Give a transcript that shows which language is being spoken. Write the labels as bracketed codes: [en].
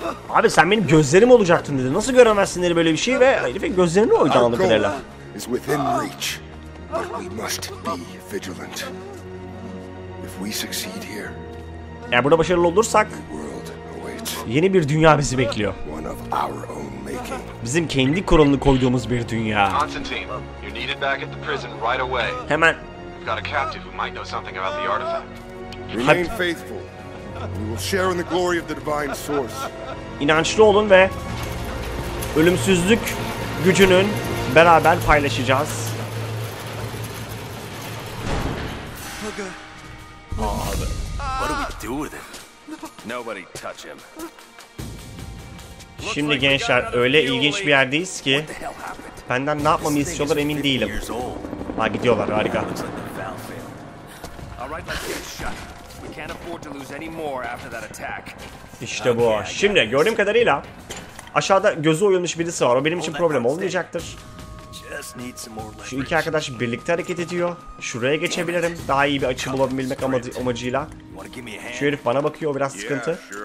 [tr] Abi sen benim gözlerim olacaktın dedi. Nasıl göremezsin dedi böyle bir şeyi ve herifin gözlerini oydu anladık kadarıyla. [en] Is within reach, but we must be vigilant. If we succeed here, [tr] eğer burada başarılı olursak yeni bir dünya bizi bekliyor. [en] One of our own making. [tr] Bizim kendi kuralını koyduğumuz bir dünya. [en] Constantine, you're needed back at the prison right away. [tr] Hemen. [en] We've got a captive who might know something about the artifact. Remain faithful. We will share in the glory of the divine source. [tr] İnançlı olun ve ölümsüzlük gücünün beraber paylaşacağız. [en] Abi, what do we do with him? Nobody touch him. [tr] Şimdi gençler, öyle ilginç bir yerdeyiz ki benden ne yapmamı istiyorlar emin değilim. Ha, gidiyorlar, harika. [en] All right, let's get shut. We can't afford to lose any more after that attack. [tr] İşte bu. Şimdi gördüğüm kadarıyla aşağıda gözü oyulmuş birisi var. O benim için problem olmayacaktır. Şu iki arkadaş birlikte hareket ediyor. Şuraya geçebilirim. Daha iyi bir açı bulabilmek amacıyla. Şu herif bana bakıyor. O biraz sıkıntı.